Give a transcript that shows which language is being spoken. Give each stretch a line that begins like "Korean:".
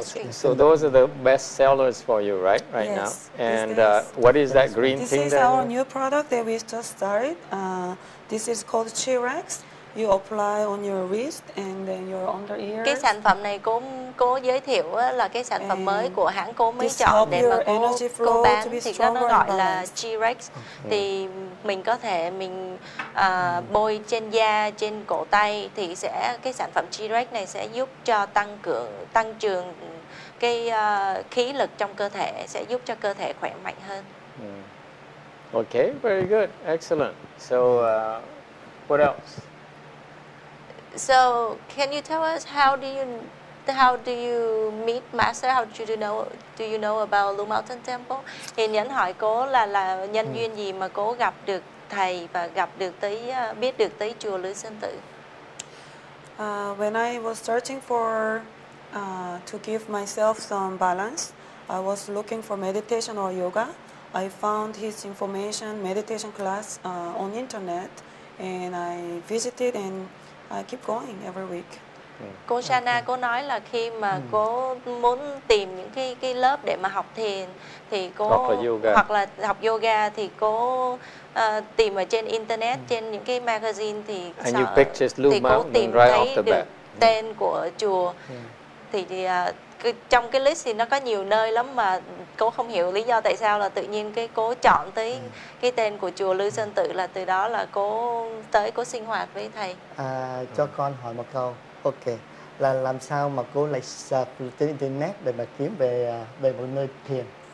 English: So those are the best sellers for you, right yes. now. And what is that green this thing? This is our new product that we just started. This is called Chirax. You apply on your wrist and then your under ear.
Vietnamese: Cái sản phẩm này cô giới thiệu là cái sản phẩm
English: and
Vietnamese: mới của hãng cô mới chọn để mà cô bán, thì nó gọi là Chirax. Thì mình có thể bôi trên da, trên cổ tay, thì sẽ cái sản phẩm Chirax này sẽ giúp cho tăng trưởng cái khí lực trong cơ thể, sẽ giúp cho cơ thể khỏe mạnh hơn.
English: Okay, very good. Excellent. So what else? So, can you tell us how do you meet Master? How do you know about Blue Mountain Temple?
Vietnamese: Thì Nhẫn hỏi cô là nhân duyên gì mà cô gặp được thầy và gặp được tới biết được tới chùa Lư Sơn Tự.
English: When I was searching for to give myself some balance, I was looking for meditation or yoga. I found his information meditation class on internet, and I visited and I keep going every week.
Vietnamese: Cô Shana cô nói là khi mà cô muốn tìm những cái lớp để mà học thiền thì cô hoặc là học yoga thì cô tìm ở trên internet, trên những cái magazine thì
English: and you pick just Blue Mountain right off the bat.
Vietnamese: Tên của chùa thì trong cái list thì nó có nhiều nơi lắm mà cô không hiểu lý do tại sao là tự nhiên cái cô chọn tới cái tên của chùa Lư Sơn Tự, là từ đó là cô tới cô sinh hoạt với thầy. Cho con hỏi một câu. Ok, là làm sao mà cô lại search trên internet để mà kiếm về một nơi thiền?